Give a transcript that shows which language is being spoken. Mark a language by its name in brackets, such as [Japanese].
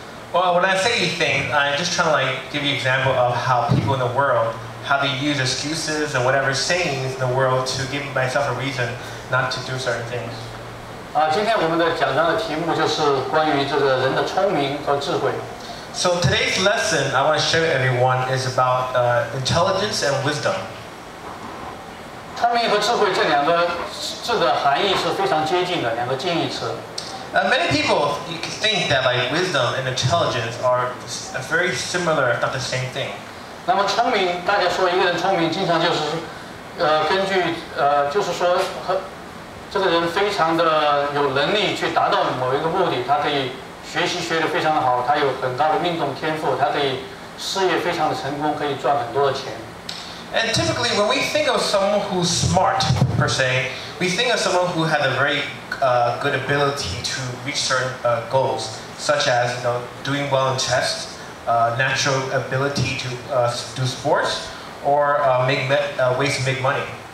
[English] Well, when I say these things, I'm just trying to like give you an example of how people in the world, how they use excuses and whatever sayings in the world to give myself a reason not to do certain things. [Chinese] 今天我们的讲章的题目就是关于这个人的聪明和智慧。 [English] So today's lesson I want to share with everyone is about intelligence and wisdom. [Chinese] 聪明和智慧这两个字的含义是非常接近的，两个近义词。 [English] Many people think that like wisdom and intelligence are very similar, if not the same thing. [Chinese] 那么聪明，大家说一个人聪明，经常就是根据就是说和这个人非常的有能力去达到某一个目的，他可以。学习学得非常的好，他有很高的运动天赋，他可以事业非常的成功，可以赚很多的钱。 [English] And typically, when we think of someone who's smart per se, we think of someone who has a very good ability to reach certain goals, such as you know doing well in tests, natural ability to do sports, or ways to make money.